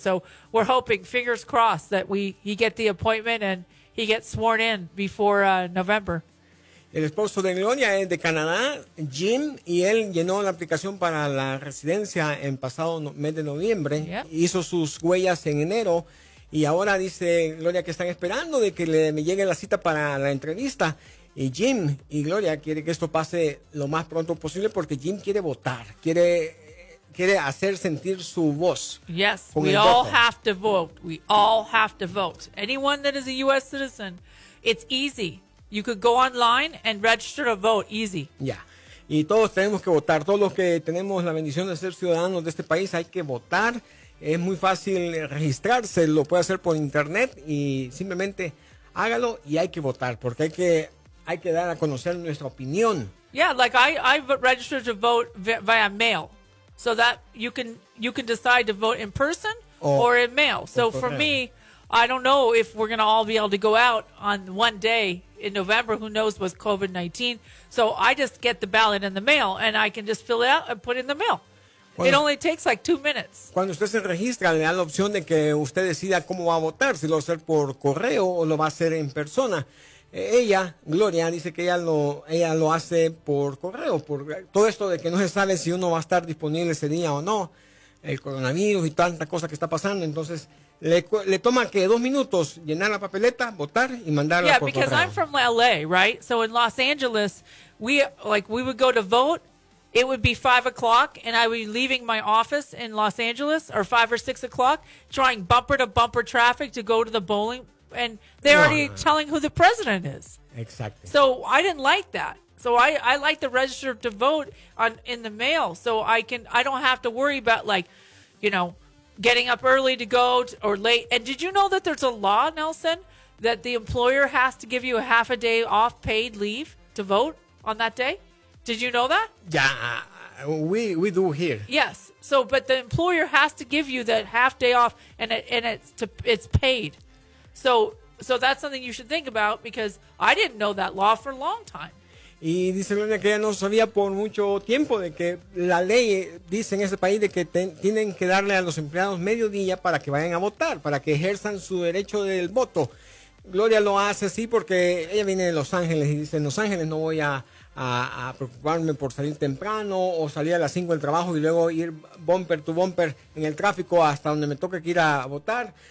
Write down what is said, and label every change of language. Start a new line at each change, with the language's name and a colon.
English: So we're hoping, fingers crossed, that he get the appointment and he gets sworn in before November.
Spanish: El esposo de Gloria es de Canadá, Jim, y él llenó la aplicación para la residencia en pasado mes de noviembre.
English: Yep.
Spanish: Hizo sus huellas en enero. Y ahora dice Gloria que están esperando de que le llegue la cita para la entrevista. Y Jim y Gloria quiere que esto pase lo más pronto posible porque Jim quiere votar. Quiere hacer sentir su voz.
English: Yes, we all have to vote. We all have to vote. Anyone that is a U.S. citizen, it's easy. You could go online and register to vote. Easy.
Spanish: Yeah. Y todos tenemos que votar. Todos los que tenemos la bendición de ser ciudadanos de este país, hay que votar. Es muy fácil registrarse, lo puede hacer por internet y simplemente hágalo y hay que votar porque hay que dar a conocer nuestra opinión.
English: Yeah, like I registered to vote via mail so that you can decide to vote in person or in mail. So for me, I don't know if we're going to all be able to go out on one day in November, who knows, with COVID-19. So I just get the ballot in the mail and I can just fill it out and put it in the mail. It only takes like 2 minutes.
Spanish: Cuando usted se registra, le da la opción de que usted decida cómo va a votar, si lo va a hacer por correo o lo va a hacer en persona. Ella, Gloria, dice que ella lo hace por correo, por todo esto de que no se sabe si uno va a estar disponible ese día o no, el coronavirus y tanta cosa que está pasando. Entonces, le toma que 2 minutos llenar la papeleta, votar y mandarla por correo.
English: Yeah, because I'm from LA, right? So in Los Angeles, we would go to vote. It would be 5 o'clock, and I would be leaving my office in Los Angeles, or 5 or 6 o'clock, trying bumper to bumper traffic to go to the bowling. And they're already telling who the president is. Exactly. So I didn't like that. So I like to register to vote in the mail, so I don't have to worry about, like, you know, getting up early to go or late. And did you know that there's a law, Nelson, that the employer has to give you a half a day off paid leave to vote on that day? Did you know that? Yeah, we do here. Yes. So, but the employer has to give you that half day off, and it's paid. So that's something you should think about because I didn't know that law for a long time.
Spanish: Y dice Lorena que ella no sabía por mucho tiempo de que la ley dice en ese país de que tienen que darle a los empleados medio día para que vayan a votar, para que ejerzan su derecho del voto. Gloria lo hace así porque ella viene de Los Ángeles y dice, en Los Ángeles no voy a preocuparme por salir temprano o salir a las 5 del trabajo y luego ir
English: bumper to bumper
Spanish: en el tráfico hasta donde me toque que ir a votar.